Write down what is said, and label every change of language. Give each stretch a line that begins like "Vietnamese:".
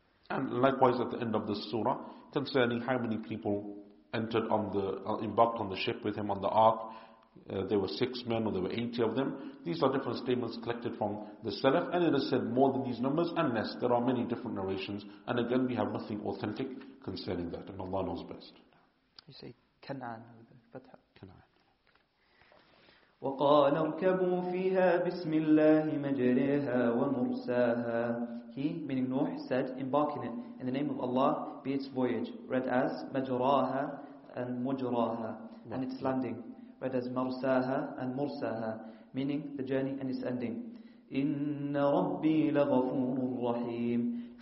English: And likewise at the end of the surah, concerning how many people embarked on the ship with him on the ark, there were six men or there were 80 of them. These are different statements collected from the Salaf, and it is said more than these numbers, unless there are many different narrations. And again, we have nothing authentic concerning that, and Allah knows best. You say Kan'an with the fatha.
Arabic: وقال اركبوا فيها بسم الله مجريها ومرساها
English: He, meaning Nuh, said, embark in it, in the name of Allah, be its voyage, read as
Arabic: مجراها
English: and مجراها, and its landing, read as
Arabic: مرساها
English: and مرساها, meaning the journey and its ending.
Arabic: إِنَّ رَبِّي لَغَفُورٌ رَحِيمٌ